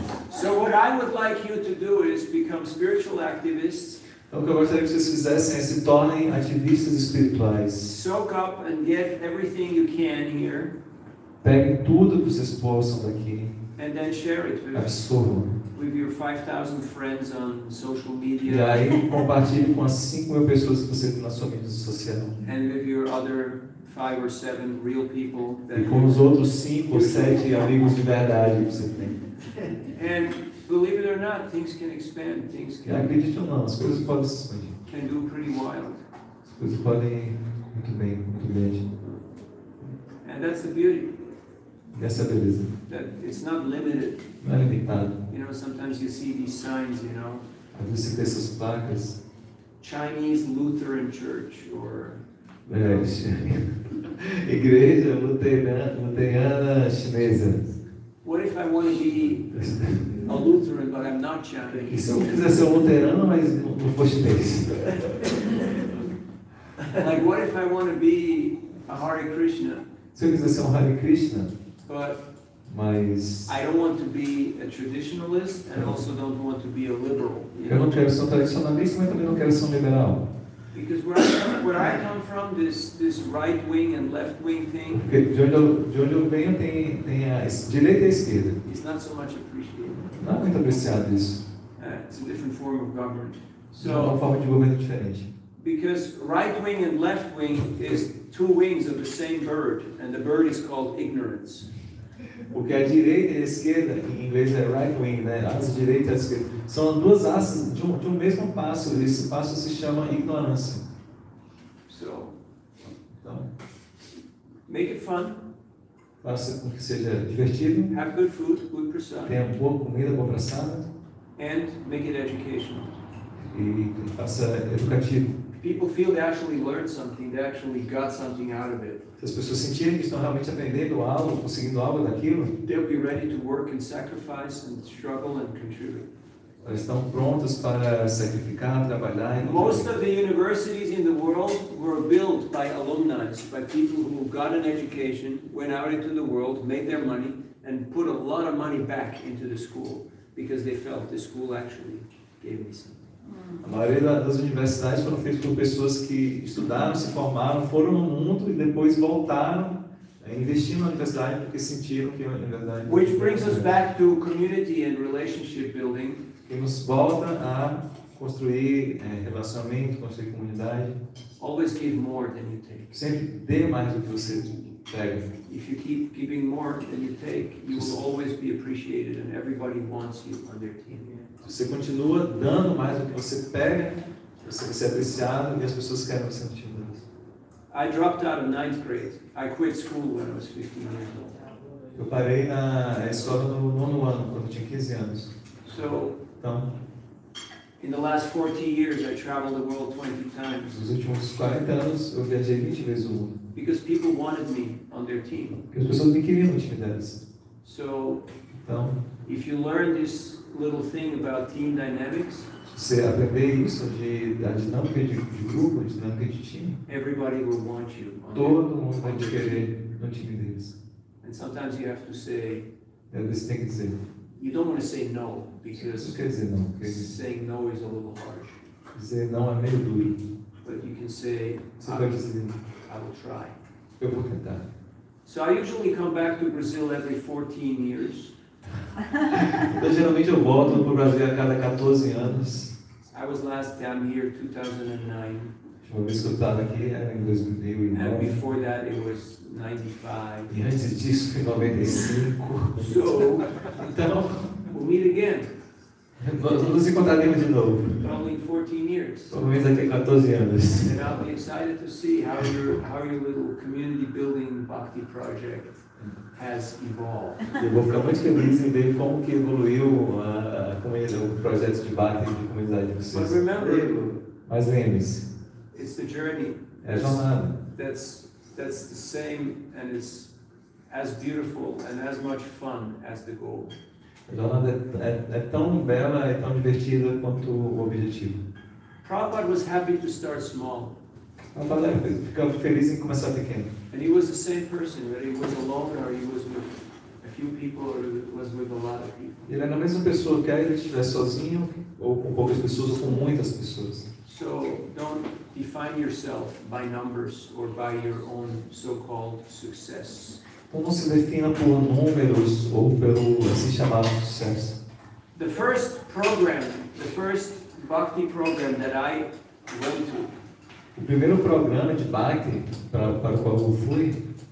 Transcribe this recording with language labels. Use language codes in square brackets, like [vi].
[en] So what I would like you to do is become spiritual activists. [pt] Então, o que eu gostaria que vocês fizessem é se tornem ativistas espirituais. [en] Soak up and get everything you can here. [pt] Peguem tudo que vocês possam daqui. [en] And then share it with, with your 5,000 friends on social media. [pt] E aí compartilhe com as 5,000 pessoas que você tem na sua mídia social. [en] And with your other 5 or 7 real people that [pt] e com os outros 5 ou 7 amigos de verdade que você tem. [en] And believe it or not, things can expand. Things can. [pt] E acredite ou não, as coisas podem se expandir. [en] Can do pretty wild. [pt] As coisas podem ir muito bem, muito grande. [en] And that's the beauty. [pt] E essa é a beleza. [en] That it's not limited. [pt] Não é limitado. [en] You know, sometimes you see these signs, you know. [pt] Às vezes você vê essas placas. [en] Chinese Lutheran Church or. [pt] Igreja luterana chinesa. [en] What if I want to be a Lutheran but I'm not Chinese? [pt] Se eu quiser ser luterano, mas não for chinês. [en] Like what if I want to be a Hare Krishna? [pt] Se eu quiser ser Hare Krishna, [en] but [pt] mas [en] I don't want to be a traditionalist and also don't want to be a liberal. [pt] Eu não quero ser tradicionalista, mas também não quero ser liberal. [en] Because where I come from, this right wing and left wing thing. [pt] Porque de onde eu venho tem a direita e a esquerda. [en] It's not so much appreciated. [pt] Não é muito apreciado isso. [en] It's a different form of government. [pt] So, é uma forma de governo diferente. [en] Because right wing and left wing is two wings of the same bird, and the bird is called ignorance. [pt] Porque a direita e a esquerda, em inglês é right wing, né? As direitas e a esquerda são duas asas de um mesmo passo. Esse passo se chama ignorância. [en] So, [pt] então, [en] make it fun. [pt] Faça com que seja divertido. [en] Have good food, good prasada. [pt] Tenha boa comida, boa prasada. [en] And make it educational. [pt] E faça educativo. [en] People feel they actually learned something, they actually got something out of it. [pt] Se as pessoas sentirem que estão realmente aprendendo algo, conseguindo algo daquilo, [en] they'll be ready to work and sacrifice and struggle and contribute. [pt] Elas estão prontas para sacrificar, trabalhar. [en] Most of the universities in the world were built by alumni, by people who got an education, went out into the world, made their money, and put a lot of money back into the school because they felt the school actually gave me something. [pt] A maioria das universidades foram feitas por pessoas que estudaram, se formaram, foram no mundo e depois voltaram a investir na universidade porque sentiram que a universidade. [en] Which brings us back to community and relationship building. [pt] Que nos volta a construir relacionamento, construir comunidade. [en] Always give more than you take. [pt] Sempre dê mais do que você pega. [en] If you keep giving more than you take, you will always be appreciated and everybody wants you on their team. [pt] Você continua dando mais do que você pega, você vai ser apreciado e as pessoas querem você no time delas. [en] I dropped out of ninth grade. I quit school when I was 15 years old. [pt] Eu parei na escola no nono ano, quando eu tinha 15 anos. [en] So, [pt] então, [en] in the last 40 years, I traveled the world 20 times. [pt] Nos últimos 40 anos, eu viajei 20 vezes o mundo. [en] Because people wanted me on their team. [pt] Porque as pessoas me queriam no time delas. [en] So, [pt] então, [en] if you learn this little thing about team dynamics. [pt] Você aprender isso da dinâmica de grupo, da dinâmica de time. [en] Everybody will want you. [pt] Todo mundo vai te querer no time deles. [en] And sometimes you have to say. [pt] É, você tem que dizer. [en] You don't want to say no because. [pt] Quer dizer não. Quer dizer. [en] Saying no is a little harsh. [pt] Dizer não é meio duro. [en] But you can say. [pt] Você pode dizer. [en] I will try. [pt] Eu vou tentar. [en] So I usually come back to Brazil every 14 years. [pt] Então, geralmente eu volto para o Brasil a cada 14 anos. [en] I was last down here 2009. [pt] A última vez que eu estava aqui era em 2009. [en] And before that it was 95. [pt] E antes disso foi 95. [en] So, [pt] então, [en] we'll meet again. [pt] Nos encontraremos de novo. [en] Probably 14 years. [pt] Provavelmente daqui a 14 anos. [en] And I'll be excited to see how your little community building bhakti project. Has evolved. [pt] Eu vou ficar muito feliz em ver como que evoluiu o projeto de bate de comunidade de vocês. [en] But remember, [pt] mas lembre-se, [en] it's the journey. [pt] É a jornada. [en] That's the same and it's as beautiful and as much fun as the goal. [pt] A jornada é tão bela e tão divertida quanto o objetivo. [en] Prabhupada was happy to start small. And he was the same person, whether he was alone or he was with a few people or he was with a lot of people. [pt] Ele era a mesma pessoa, quer ele estivesse sozinho ou com poucas pessoas ou com muitas pessoas. [en] So don't define yourself by numbers or by your own so-called success. [pt] Como se defina por números ou pelo assim chamado sucesso? [en] The first program, the first bhakti program that I went to. [pt] O primeiro programa de bhakti para o qual eu fui.